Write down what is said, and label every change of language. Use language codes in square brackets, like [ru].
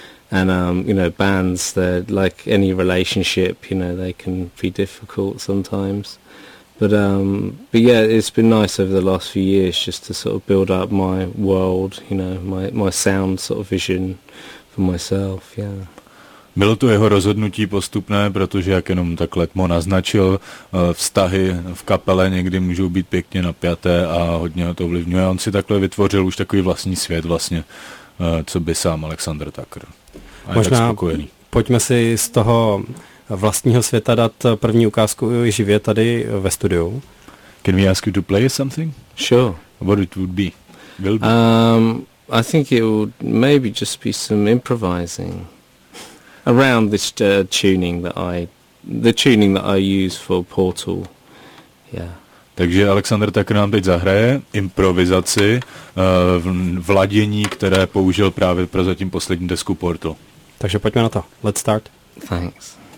[en] And, you know, bands, they're like any relationship, you know, they can be difficult sometimes. But it's been nice over the last few years just to sort of build up my world, you know, my sound sort of vision for myself, yeah. [cs] Bylo to jeho rozhodnutí postupné, protože jak jenom tak letmo naznačil, vztahy v kapele někdy můžou být pěkně napjaté a hodně ho to ovlivňuje. On si takhle vytvořil už takový vlastní svět vlastně, co by sám Alexander Takr. A možná je tak spokojený. Pojďme si z toho vlastního světa dát první ukázku živě tady ve studiu. [en] Can we ask you to play something? Sure. What it would be? Will be? I think it would maybe just be some improvising. around this tuning that I use for Portal. Yeah. [cs] Takže Alexander tak nám teď zahraje improvizaci v vladění, které použil právě pro zatím poslední desku Portal. Takže pojďme na to. [en] Let's start. Thanks.